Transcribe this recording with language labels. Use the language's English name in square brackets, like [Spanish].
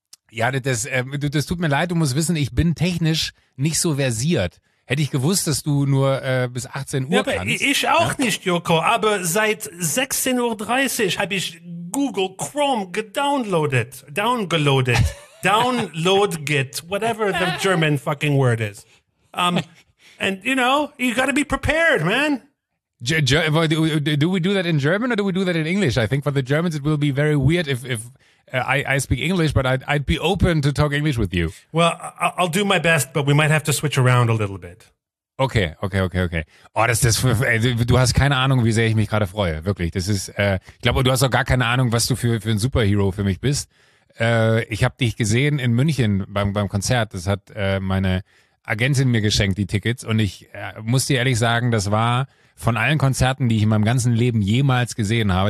[German] Ja, das tut mir leid, du musst wissen, ich bin technisch nicht so versiert. Hätte ich gewusst, dass du nur bis 18 Uhr aber kannst. Ich auch nicht, Joko, aber seit 16.30 Uhr habe ich Google Chrome downloaded, download get, [English] whatever the German fucking word is. And you know, you gotta be prepared, man. Do we do that in German or do we do that in English? I think for the Germans it will be very weird if I speak English, but I'd be open to talk English with you. Well, I'll do my best, but we might have to switch around a little bit. Okay. [German] Oh, das du hast keine Ahnung, wie sehr ich mich gerade freue. Wirklich, das ist. Ich glaube, du hast auch gar keine Ahnung, was du für ein Superhero für mich bist. Ich habe dich gesehen in München beim Konzert. Das hat meine Agentin mir geschenkt, die Tickets. Und ich muss dir ehrlich sagen, das war von allen Konzerten, die ich in meinem ganzen Leben jemals gesehen habe.